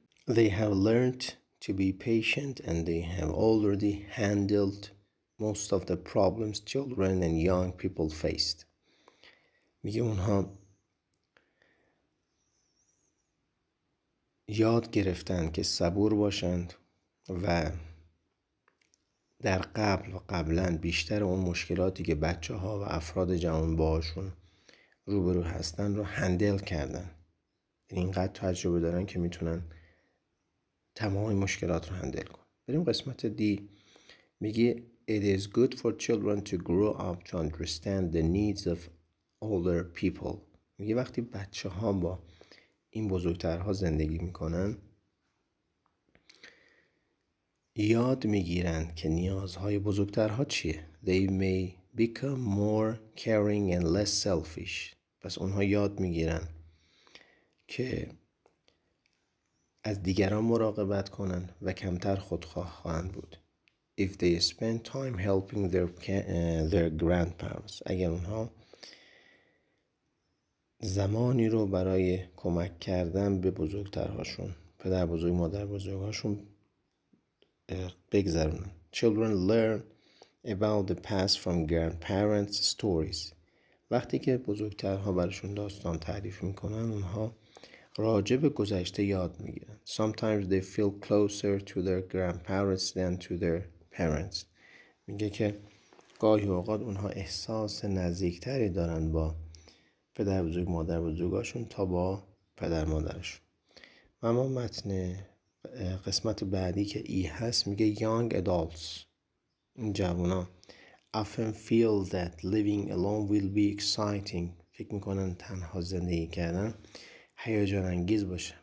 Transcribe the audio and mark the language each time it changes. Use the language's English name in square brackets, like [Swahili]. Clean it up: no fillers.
[English] They have learned to be patient and they have already handled most of the problems children and young people faced. [Persian] میگه اونها یاد گرفتن که صبور باشند و در قبل و قبلن بیشتر اون مشکلاتی که بچه ها و افراد جوان باهاشون روبرو هستن رو هندل کردن. اینقدر تجربه دارن که میتونن تمام مشکلات رو هندل کن. بریم قسمت دی. میگه [English] It is good for children to grow up to understand the needs of older people. [Persian] میگه وقتی بچه ها با این بزرگترها زندگی میکنن یاد میگیرن که نیازهای بزرگترها چیه. [English] They may become more caring and less selfish. [Persian] پس اونها یاد میگیرن که از دیگران مراقبت کنن و کمتر خودخواه خواهند بود. [English] If they spend time helping their grandparents، [Persian] اگر اونها زمانی رو برای کمک کردن به بزرگترهاشون، پدر بزرگ مادر بزرگهاشون بگذرونن. [English] Children learn about the past from grandparents' stories، [Persian] وقتی که بزرگترها براشون داستان تعریف میکنن اونها راجع به گذشته یاد میگیرن. [English] Sometimes they feel closer to their grandparents than to their parents. [Persian] میگه که گاهی اوقات اونها احساس نزدیکتری دارن با پدر بزرگ مادر بزرگاشون تا با پدر مادرشون. و اما متن قسمت بعدی که ای هست میگه [English] Young adults، [Persian] این جوانا، [English] often feel that living alone will be exciting، [Persian] فکر میکنن تنها زندگی کردن هیجان انگیز باشه.